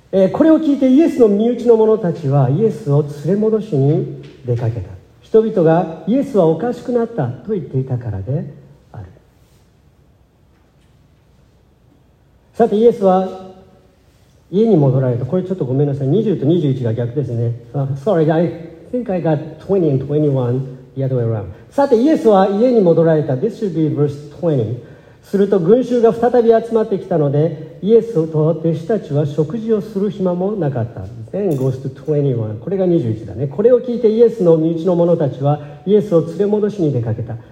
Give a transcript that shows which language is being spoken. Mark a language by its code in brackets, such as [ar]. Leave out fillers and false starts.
[ja] これを聞いてイエスの身内の者たちはイエスを連れ戻しに出かけた。人々がイエスはおかしくなったと言っていたからで、さてイエスは家に戻られた。これちょっとごめんなさい。 20と21が逆ですね。 [en] Sorry, I think I got 20 and 21 the other way around. [ja] さてイエスは家に戻られた。 [en] This should be verse 20. [ja] すると群衆が再び集まってきたので、イエスと弟子たちは食事をする暇もなかった。 [en] Then goes to 21. [ja] これが21だね。これを聞いてイエスの身内の者たちはイエスを連れ戻しに出かけた。